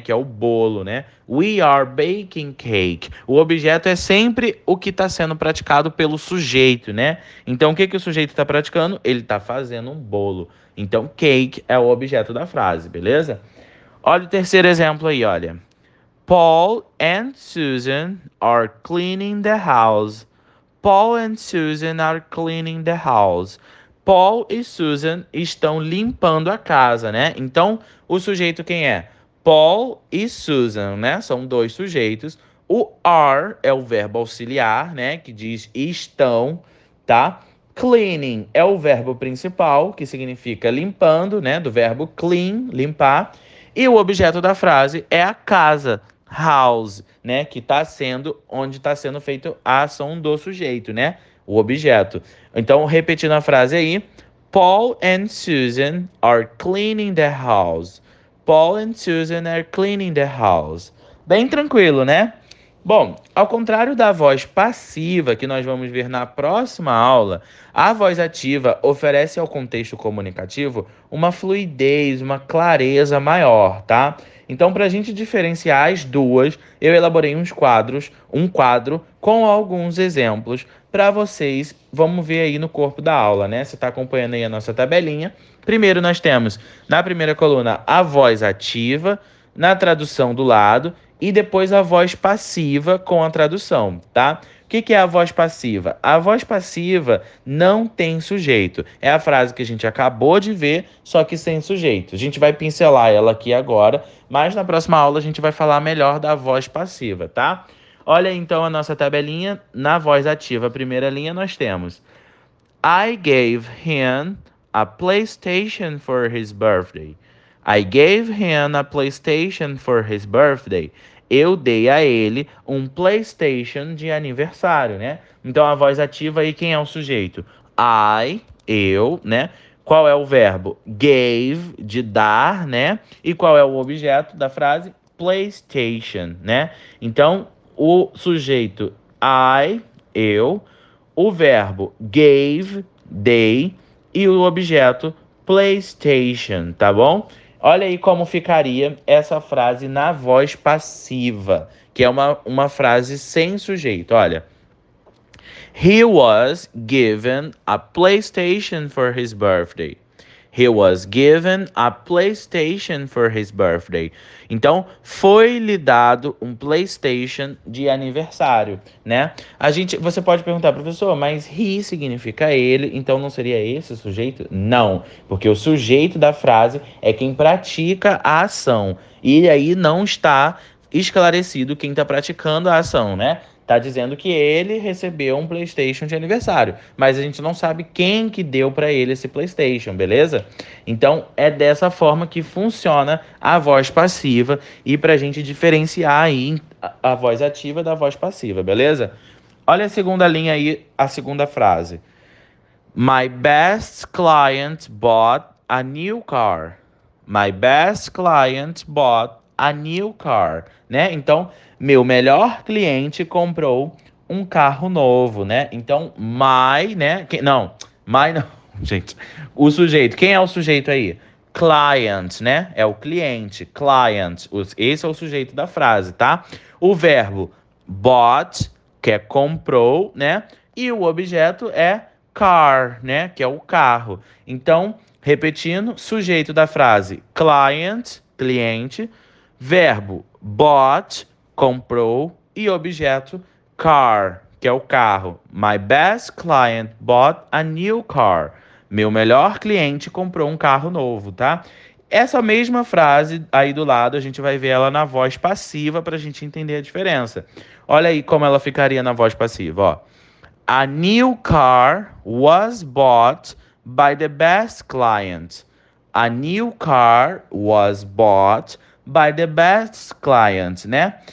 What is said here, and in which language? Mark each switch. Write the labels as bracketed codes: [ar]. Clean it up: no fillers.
[pt] Que é o bolo, né? [en] We are baking cake. [pt] O objeto é sempre o que está sendo praticado pelo sujeito, né? Então, o que que o sujeito está praticando? Ele está fazendo um bolo. Então, cake é o objeto da frase, beleza? Olha o terceiro exemplo aí, olha. [en] Paul and Susan are cleaning the house. Paul and Susan are cleaning the house. [pt] Paul e Susan estão limpando a casa, né? Então, o sujeito quem é? Paul e Susan, né? São dois sujeitos. O are é o verbo auxiliar, né? Que diz estão, tá? Cleaning é o verbo principal, que significa limpando, né? Do verbo clean, limpar. E o objeto da frase é a casa, house, né? Que tá sendo onde está sendo feito a ação do sujeito, né? O objeto. Então, repetindo a frase aí, [en] Paul and Susan are cleaning the house. Paul and Susan are cleaning the house. [pt] Bem tranquilo, né? Bom, ao contrário da voz passiva que nós vamos ver na próxima aula, a voz ativa oferece ao contexto comunicativo uma fluidez, uma clareza maior, tá? Então, para a gente diferenciar as duas, eu elaborei uns quadros, um quadro com alguns exemplos para vocês. Vamos ver aí no corpo da aula, né? Você está acompanhando aí a nossa tabelinha. Primeiro, nós temos na primeira coluna a voz ativa, na tradução do lado. E depois a voz passiva com a tradução, tá? O que que é a voz passiva? A voz passiva não tem sujeito. É a frase que a gente acabou de ver, só que sem sujeito. A gente vai pincelar ela aqui agora, mas na próxima aula a gente vai falar melhor da voz passiva, tá? Olha então a nossa tabelinha. Na voz ativa, a primeira linha, nós temos: [en] I gave him a PlayStation for his birthday. I gave him a PlayStation for his birthday. [pt] Eu dei a ele um PlayStation de aniversário, né? Então a voz ativa aí, quem é o sujeito? I, eu, né? Qual é o verbo? Gave, de dar, né? E qual é o objeto da frase? PlayStation, né? Então o sujeito I, eu, o verbo gave, dei, e o objeto PlayStation, tá bom? Olha aí como ficaria essa frase na voz passiva, que é uma frase sem sujeito. Olha. [en] He was given a PlayStation for his birthday. He was given a PlayStation for his birthday. [pt] Então, foi-lhe dado um PlayStation de aniversário, né? Você pode perguntar, professor, mas he significa ele, então não seria esse o sujeito? Não, porque o sujeito da frase é quem pratica a ação. E aí não está esclarecido quem está praticando a ação, né? Tá dizendo que ele recebeu um PlayStation de aniversário, mas a gente não sabe quem que deu para ele esse PlayStation, beleza? Então é dessa forma que funciona a voz passiva e para a gente diferenciar aí a voz ativa da voz passiva, beleza? Olha a segunda linha aí, a segunda frase. [en] My best client bought a new car. My best client bought a new car, né? [pt] Então, meu melhor cliente comprou um carro novo, né? Então, my, né? My não, gente. O sujeito, quem é o sujeito aí? Client, né? É o cliente, client. Esse é o sujeito da frase, tá? O verbo bought, que é comprou, né? E o objeto é car, né? Que é o carro. Então, repetindo, sujeito da frase client, cliente. Verbo bought, comprou, e objeto car, que é o carro. [en] My best client bought a new car. [pt] Meu melhor cliente comprou um carro novo, tá? Essa mesma frase aí do lado, a gente vai ver ela na voz passiva para a gente entender a diferença. Olha aí como ela ficaria na voz passiva, ó. [en] A new car was bought by the best client. A new car was bought by the best client, né?